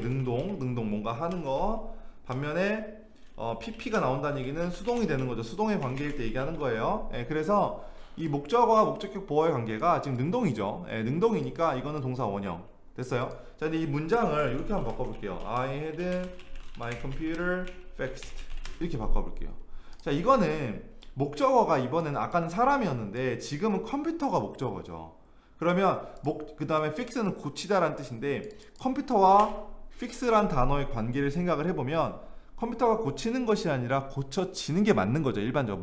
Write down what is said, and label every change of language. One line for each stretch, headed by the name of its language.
Korean: 능동 뭔가 하는 거. 반면에 PP가 나온다는 얘기는 수동이 되는 거죠. 수동의 관계일 때 얘기하는 거예요. 예, 그래서 이 목적어와 목적격 보어의 관계가 지금 능동이죠. 예, 능동이니까 이거는 동사 원형 됐어요. 자, 근데 이 문장을 이렇게 한번 바꿔볼게요.
English: I had my computer fixed
Korean: 이렇게 바꿔볼게요. 자, 이거는 목적어가 이번에는 아까는 사람이었는데 지금은 컴퓨터가 목적어죠. 그러면 목그 다음에 fix는 고치다란 뜻인데, 컴퓨터와 fix란 단어의 관계를 생각을 해보면 컴퓨터가 고치는 것이 아니라 고쳐지는 게 맞는 거죠, 일반적으로.